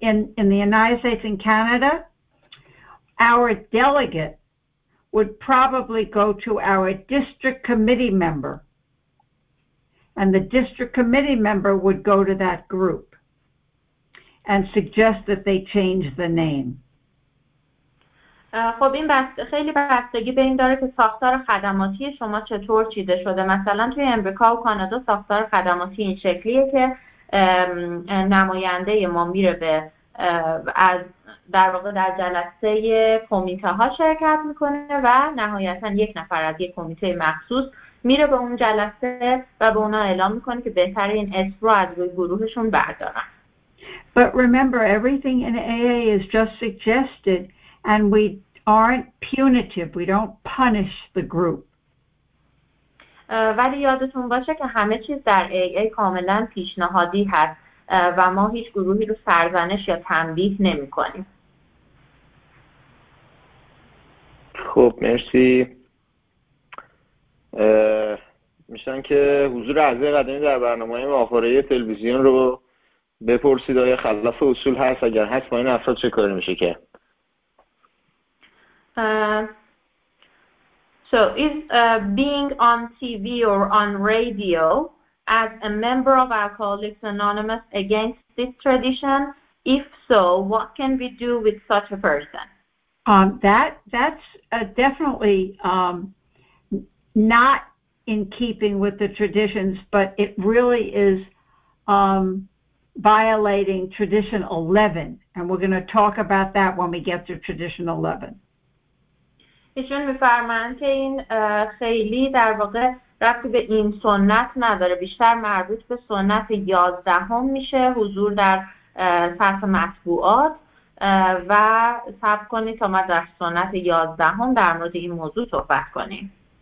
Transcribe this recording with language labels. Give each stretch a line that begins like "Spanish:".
English: In the United States and Canada, our delegate would probably go to our district committee member. And the district committee member would go to that group and suggest that they change the name.
Persian: خب این خیلی بستگی به این داره که ساختار خدماتی شما چطور چیده شده. مثلا توی امریکا و کانادا ساختار خدماتی این شکلیه که نماینده ما میره به از در واقع در جلسه کمیته ها شرکت میکنه و نهایتا یک نفر از یک کمیته مخصوص میره به اون جلسه و به اونا اعلام میکنه که بهترین اسم رو از روی گروهشون بردارن.
English: But remember everything in AA is just suggested and we aren't punitive. We don't punish the group.
Persian: ولی یادتون باشه که همه چیز در AA کاملا پیشنهادی هست و ما هیچ گروهی رو سرزنش یا تنبیه نمی کنیم. خب مرسی. میشن که حضور اعضای قدیمی در برنامه های ماهواره تلویزیون رو بپرسید آیا خلاف اصول هست؟ اگر هست با این افراد چه کاری میشه که؟
English: So is being on TV or on radio as a member of Alcoholics Anonymous against this tradition? If so, what can we do with such a person? That's definitely not in keeping with the traditions, but it really is violating Tradition 11, and we're going to talk about that when we get to Tradition 11.
Persian: ایشون می‌فرمایند که این خیلی در واقع ربطی به این سنت نداره، بیشتر مربوط به سنت 11 میشه، حضور در صفحه مطبوعات و صبر کنید تا ما در سنت 11 در مورد این موضوع صحبت کنیم.